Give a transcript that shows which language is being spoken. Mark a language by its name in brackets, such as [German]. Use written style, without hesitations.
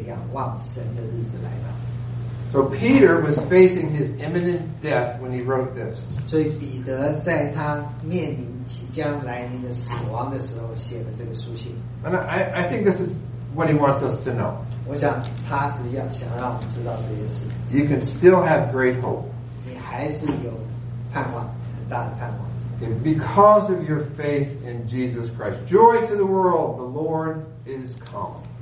[Chinese] 为人应当怎样圣洁怎样敬虔，切切仰望神的日子来到。 [English] So Peter was facing his imminent death when he wrote this. [Chinese] 所以彼得在他面临即将来临的死亡的时候写了这个书信。 [English] And I think this is what he wants us to know. [Chinese] 我想他是要想让我们知道这件事。 [English] You can still have great hope. [Chinese] 你还是有盼望，很大的盼望。 [English] Because of your faith in Jesus Christ. Joy to the world, the Lord is come.